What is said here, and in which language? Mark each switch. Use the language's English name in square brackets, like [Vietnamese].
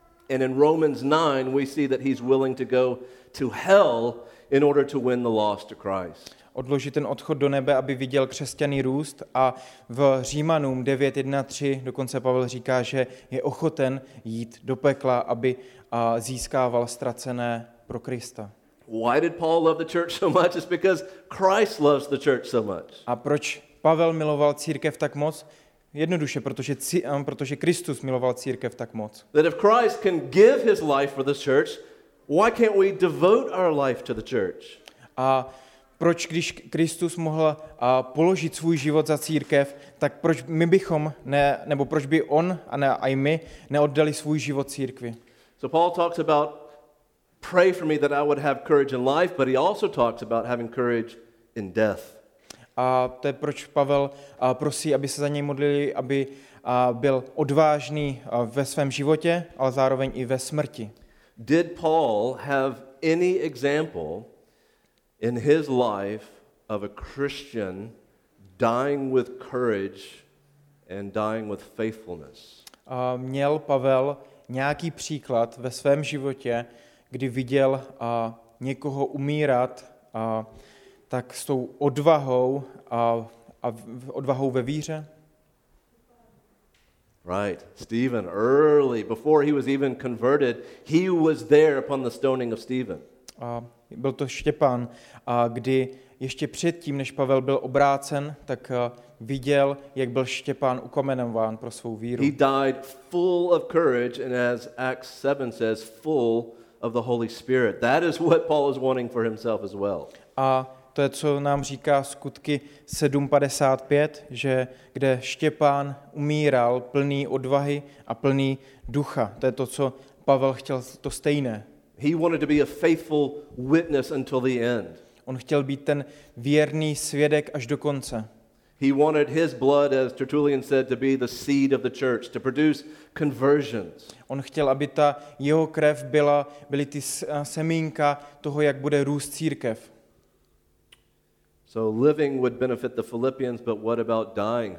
[English] And in Romans 9 we see that he's willing to go to hell in order to win the lost to Christ. [Czech] Odložit ten odchod do nebe, aby viděl křesťany růst, a v Římanům 9:1-3 dokonce Pavel říká, že je ochoten jít do pekla, aby získával ztracené pro Krista. [English] Why did Paul love the church so much? It's because Christ loves the church so much. [Czech] A proč Pavel miloval církev tak moc? Jednoduše, protože Kristus miloval církev tak moc. [English] That if Christ can give his life for the church, why can't we devote our life to the church? [Czech] A proč když Kristus mohl položit svůj život za církev, tak proč my bychom nebo proč by on a i my neoddali svůj život církvi? [English] So Paul talks about pray for me that I would have courage in life, but he also talks about having courage in death. [Czech] A to je proč Pavel prosí, aby se za něj modlili, aby byl odvážný ve svém životě, ale zároveň i ve smrti. [English] Did Paul have any example in his life of a Christian dying with courage and dying with faithfulness? [Czech] Měl Pavel nějaký příklad ve svém životě, kdy viděl někoho umírat tak s tou odvahou a odvahou ve víře? [English] Right, Stephen, early before he was even converted, he was there upon the stoning of Stephen. [Czech] Byl to Štěpán, a kdy ještě předtím, než Pavel byl obrácen, tak viděl, jak byl Štěpán ukamenován pro svou víru. [English] He died full of courage and as Acts 7 says, full of the Holy Spirit. That is what Paul is wanting for himself as well. [Czech] A to je, co nám říká Skutky 7:55, že kde Štěpán umíral plný odvahy a plný ducha. To je to, co Pavel chtěl, to stejné. [English] He wanted to be a faithful witness until the end. [Czech] On chtěl být ten věrný svědek až do konce. [English] He wanted his blood, as Tertullian said, to be the seed of the church, to produce conversions. [Czech] On chtěl, aby ta jeho krev byly ty semínka toho, jak bude růst církev. [English] So living would benefit the Philippians, but what about dying?